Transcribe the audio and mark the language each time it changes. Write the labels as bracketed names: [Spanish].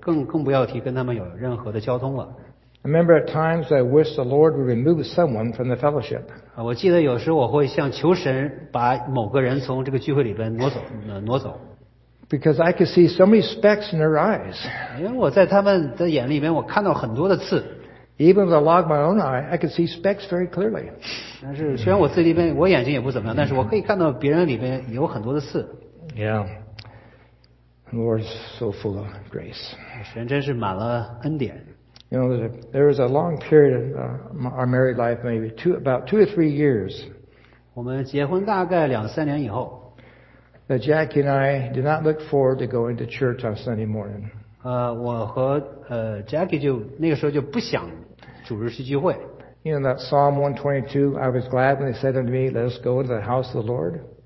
[Chinese] 一般来说，在世界上来说，你都不会和这些人有什么接触，就更不要提跟他们有任何的交通了。 [English] I remember at times I wished the Lord would remove someone from the fellowship. [Chinese] 我记得有时候我会向求神把某个人从这个聚会里边挪走。 [English] Because I could see so many specks in their eyes. [Chinese] 因为我在他们的眼里边我看到很多的刺。 [English] Even with a log my own eye, I could see specks very clearly. [Chinese] 但是虽然我自己里边我眼睛也不怎么样，但是我可以看到别人里边有很多的刺。 [English] Yeah. The Lord is so full of grace. [Chinese] 神真是满了恩典。 [English] You know, there was a long period in our married life, maybe about two or three years. [Chinese] 我们结婚大概两三年以后, [English] that Jackie and I did not look forward to going to church on Sunday morning. [Chinese] 我和Jackie就那个时候就不想主日去聚会。 [English] You know, that Psalm 122, I was glad when they said unto me, let us go into the house of the Lord.